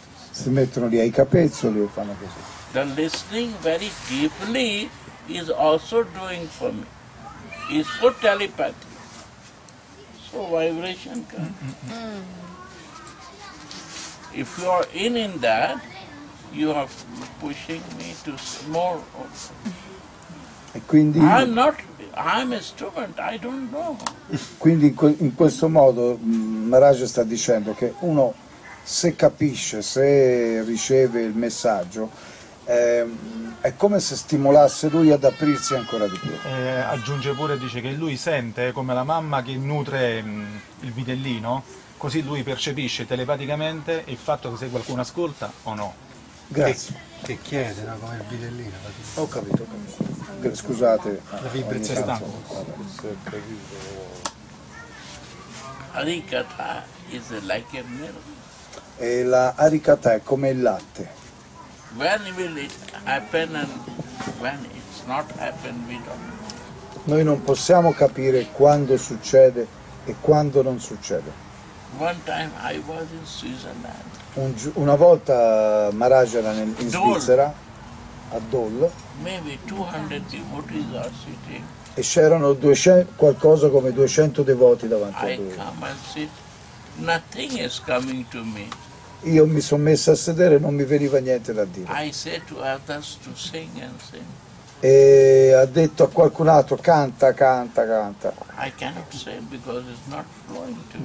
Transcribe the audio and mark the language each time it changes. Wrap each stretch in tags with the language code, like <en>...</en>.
<it>Si mettono lì ai capezzoli e fanno così.</it> <en>The listening very deeply is also doing for me. It's so telepathic. So vibration comes. If you are in that, you are pushing me to small.</en> <it>E quindi</it> <en>I'm a student, I don't know.</en> <it>Quindi in questo modo Maharaj sta dicendo che uno se capisce, se riceve il messaggio, è come se stimolasse lui ad aprirsi ancora di più. Aggiunge pure, dice che lui sente come la mamma che nutre il vitellino, così lui percepisce telepaticamente il fatto che se qualcuno ascolta o no. Grazie. Che chiede, no, come il vitellino. Ho capito, ho capito. Scusate, la vibrazione è tanto.</it> <en>Arikata is like a milk.</en> <it>E la arikata è come il latte.</it> <en>When will it happen and when it's not happen, we don't know.</en> <it>Noi non possiamo capire quando succede e quando non succede.</it> <en>One time I was in Switzerland.</en> <it>Una volta Maharaj era in Svizzera. A Dol.</it> <en>Maybe 200 devotees are sitting.</en> <it>E c'erano 200, qualcosa come 200 devoti davanti a lui.</it> <en>I come and sit. Nothing is coming to me.</en> <it>Io mi sono messo a sedere e non mi veniva niente da dire.</it> <en>I said to others to sing and sing.</en> <it>E ha detto a qualcun altro canta, canta, canta.</it> <en>I cannot say because it's not flowing to me.</en>